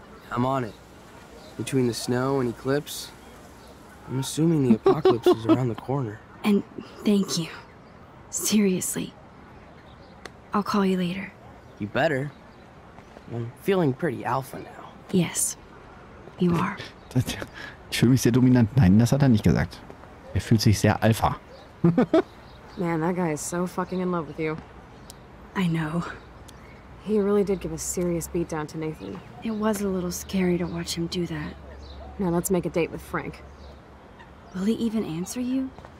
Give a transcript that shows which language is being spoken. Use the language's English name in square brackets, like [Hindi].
[English] I'm on it. Between the snow and eclipse, I'm assuming the apocalypse is around the corner. And thank you. Seriously. I'll call you later. You better. I'm feeling pretty alpha now. Yes, you are. [German] Ich fühle mich sehr dominant. Nein, das hat er nicht gesagt. Er fühlt sich sehr alpha. [English] Man, that guy is so fucking in love with you. I know. He really did give a serious beatdown to Nathan. It was a little scary to watch him do that. Now let's make a date with Frank. Will he even answer you?